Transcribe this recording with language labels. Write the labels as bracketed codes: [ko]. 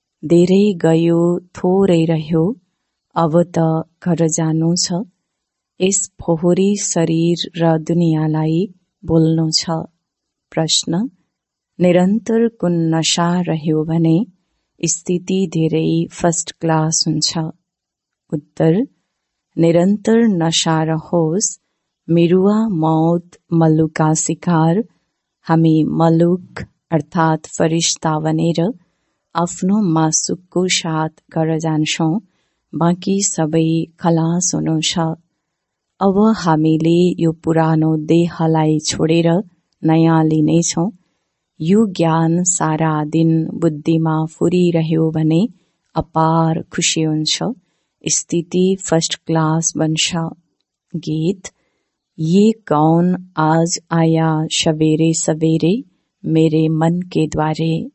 [ne] धेरै गयो थोरै रह्यो अब त घर जानु छ। इस फोहोरी शरीर र दुनियालाई बोल्नु छ। प्रश्न, निरन्तर कुन नशा रह्यो भने स्थिति धेरै फर्स्ट क्लास हुन्छ। उत्तर, निरन्तर नशा रहोस् मिरुवा मौत मलुका शिकार। हामी मलुक अर्थात फरिश्ता बनेर आफ्नो मासुकको साथ घर जान्छौँ, बाँकी सबै खलास हुनुहुन्छ। अब हामीले यो पुरानो देहलाई छोडेर नयाँ लिनेछौँ। यो ज्ञान सारा दिन बुद्धिमा फुरिरह्यो भने अपार खुसी हुन्छ, स्थिति फर्स्ट क्लास बन्छ। [hi] गीत, ये कौन आज आया सवेरे सवेरे मेरे मन के द्वारे।